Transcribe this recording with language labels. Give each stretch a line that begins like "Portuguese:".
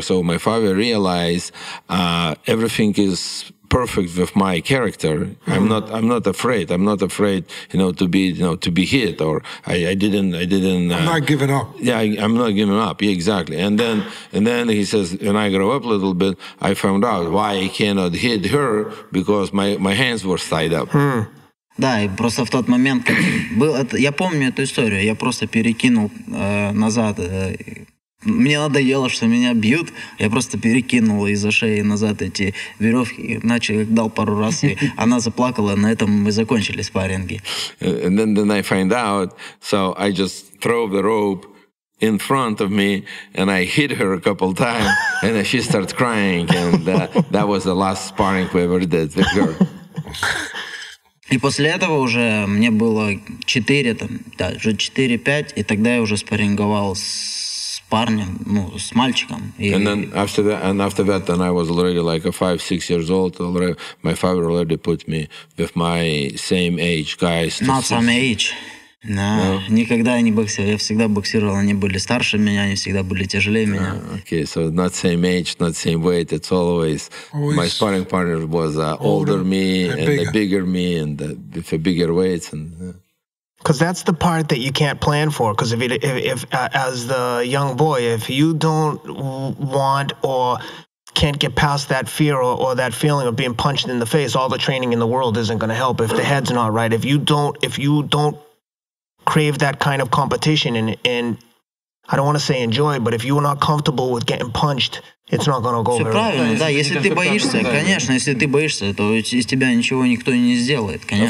English: So my father realized everything is perfect with my character. I'm not afraid. I'm not afraid, you know, to be hit, or I didn't. I'm not giving up. Yeah, I'm not giving up. Yeah, exactly. And then he says, and I grew up a little bit. I found out why I cannot hit her, because my hands were tied up.
Russian: Да, и просто в тот момент я помню эту историю. Я просто перекинул назад. Мне надоело, что меня бьют. Я просто перекинул из-за шеи назад эти веревки, начал дал пару раз, и она заплакала. На этом мы закончили спарринги.
English: And then I find out, so I just throw the rope in front of me, and I hit her a couple times, and then she starts crying, and that was the last sparring we ever did with her.
Russian: И после этого уже мне было 4, там, да, уже 4-5, и тогда я уже спарринговал с парнем, ну, с мальчиком.
English: And after that, I was already like a 5-6 years old. Already, my father already put me with my same age guys. Not same age. No.
Russian: Никогда я не боксировал. Я всегда боксировал. Они были старше меня, они всегда были тяжелее меня.
English: Okay, so not same age, not same weight. It's always my sparring partner was older me and a bigger me and with a bigger weight. Because that's the part that you can't plan for. Because if as the young boy, if you don't want or can't get past that fear or that feeling of being punched in the face, all the training in the world isn't going to help. If the head's not right, if you don't crave that kind of competition and I don't want to say enjoy, but if you are not comfortable with getting punched, it's not going to go very well.
Russian: Все правильно, да. Если ты боишься, конечно, если ты боишься, то из тебя ничего никто не сделает, конечно.